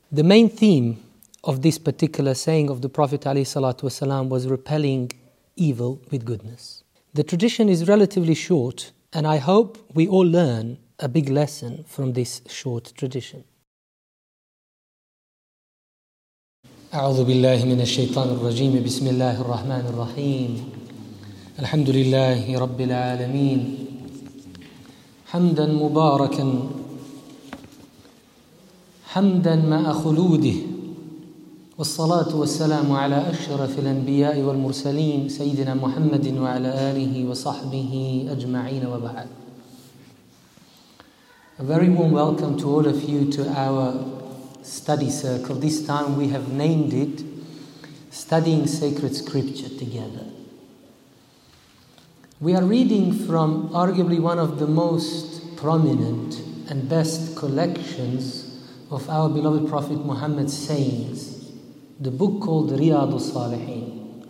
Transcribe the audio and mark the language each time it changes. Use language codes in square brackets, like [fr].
[en] The main theme of this particular saying of the Prophet ﷺ was repelling evil with goodness. The tradition is relatively short, and I hope we all learn a big lesson from this short tradition. [ar] أعوذ بالله من الشيطان الرجيم بسم الله الرحمن الرحيم الحمد لله رب العالمين حمدا مباركا حمدا مع خلوده والصلاة والسلام على أشرف الأنبياء والمرسلين سيدنا محمد وعلى آله وصحبه أجمعين وبعد. [en] A very warm welcome to all of you to our study circle. This time we have named it Studying Sacred Scripture Together. We are reading from arguably one of the most prominent and best collections of our beloved Prophet Muhammad's sayings, the book called Riyadh al-Salihin.